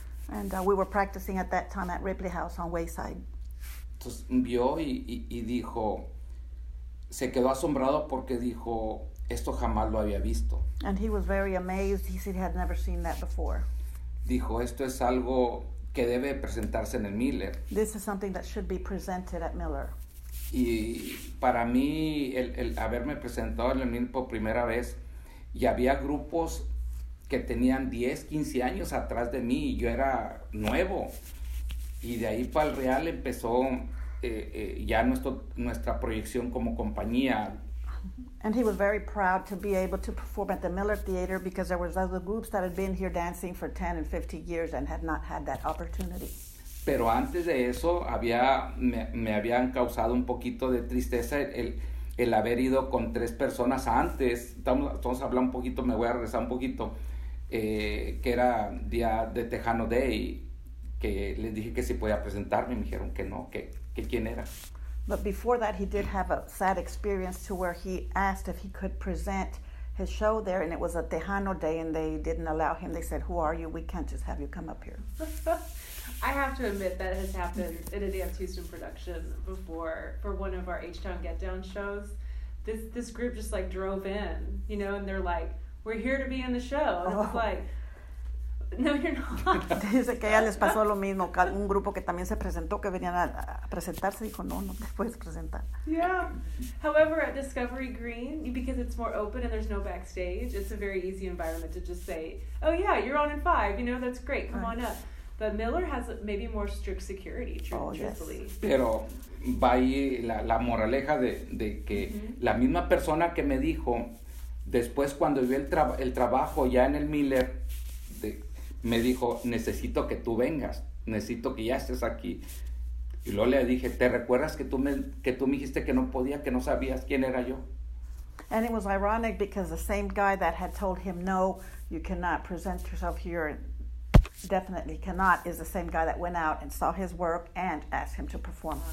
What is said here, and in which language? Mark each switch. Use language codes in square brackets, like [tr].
[en] And we were practicing at that time at Ripley House on Wayside. [es] Entonces, vio y dijo... Se quedó asombrado porque dijo... Esto jamás lo había visto. [en] And he was very amazed. He said he had never seen that before. [es] Dijo, esto es algo que debe presentarse en el Miller. [en] This is something that should be presented at Miller. [es] Y para mí, el haberme presentado en el Miller por primera vez, y había grupos que tenían 10, 15 años atrás de mí, y yo era nuevo. Y de ahí para el Real empezó ya nuestra proyección como compañía. [en] And he was very proud to be able to perform at the Miller Theater because there was other groups that had been here dancing for 10 and 50 years and had not had that opportunity. [es] Pero antes de eso, me habían causado un poquito de tristeza el haber ido con tres personas antes. Vamos a hablar un poquito, me voy a regresar un poquito, que era día de Tejano Day, que les dije que si podía presentarme, me dijeron que no, que quién era. [en] But before that, he did have a sad experience to where he asked if he could present his show there, and it was a Tejano Day, and they didn't allow him. They said, who are you? We can't just have you come up here. I have to admit that has happened in a Dance Houston production before for one of our H-Town Get Down shows. This group just, like, drove in, you know, and they're like, we're here to be in the show. And oh. It's like... No, you're not. [es] Dice que ya les pasó lo mismo. Un grupo que también se presentó, que venían a presentarse, dijo, no te puedes presentar. [en] Yeah. However, at Discovery Green, because it's more open and there's no backstage, it's a very easy environment to just say, oh, yeah, you're on in five. You know, that's great. Come on up. But Miller has maybe more strict security, truthfully. Yes. [es] Pero va ahí la moraleja de que la misma persona que me dijo, después cuando vi el trabajo ya en el Miller, me dijo, necesito que tú vengas, necesito que ya estés aquí. Y luego le dije, ¿te recuerdas que tú me dijiste que no podía, que no sabías quién era yo? [en] And it was ironic because the same guy that had told him, no, you cannot present yourself here, definitely cannot, is the same guy that went out and saw his work and asked him to perform.